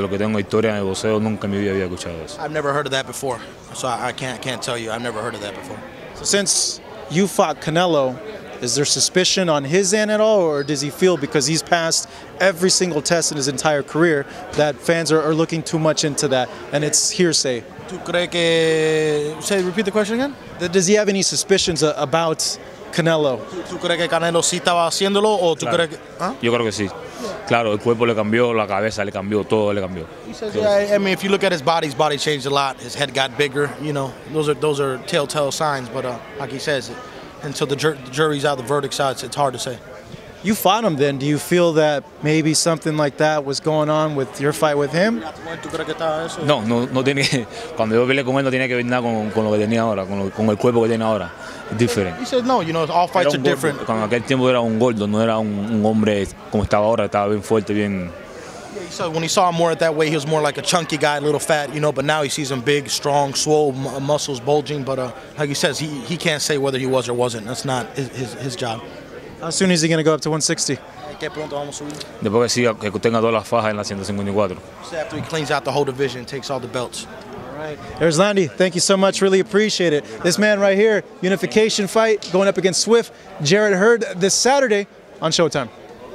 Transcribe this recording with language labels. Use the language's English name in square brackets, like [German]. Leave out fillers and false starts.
[Spanish] Lo que tengo historia en el boxeo, nunca me había escuchado eso. [English] I've never heard of that before, so I can't tell you. I've never heard of that before. Since you fought Canelo, is there suspicion on his end at all, or does he feel, because he's passed every single test in his entire career, that fans are looking too much into that, and it's hearsay? [Spanish] ¿Tú crees que... [English] Say, repeat the question again? Does he have any suspicions about Canelo? [Spanish] ¿Tú crees que Canelo sí estaba haciéndolo, o tú crees que... Yo creo que sí. Claro, el cuerpo le cambió, la cabeza le cambió, todo le cambió. [English] He says, yeah, I mean, if you look at his body changed a lot. His head got bigger, you know. Those are telltale signs, but like he says... Until the jury's out, the verdict's out, it's hard to say. You fought him then. Do you feel that maybe something like that was going on with your fight with him? [Spanish] No, no, no tiene. Cuando yo peleé con él, no tiene que ver nada con lo que tenía ahora, con el cuerpo que tiene ahora. [English] It's different. He said, no, you know, all fights are different. [Spanish] Cuando aquel tiempo era un gordo, no era un hombre como estaba ahora, estaba bien fuerte, bien. [English] So when he saw him more at that way, he was more like a chunky guy, a little fat, you know, but now he sees him big, strong, swole, muscles bulging. But like he says, he can't say whether he was or wasn't. That's not his job. How soon is he going to go up to 160? [Spanish] Después que siga, que tenga todas las fajas en la 154. [English] After he cleans out the whole division and takes all the belts. Right. Erislandy, thank you so much. Really appreciate it. This man right here, unification fight, going up against Swift, Jarrett Hurd, this Saturday on Showtime.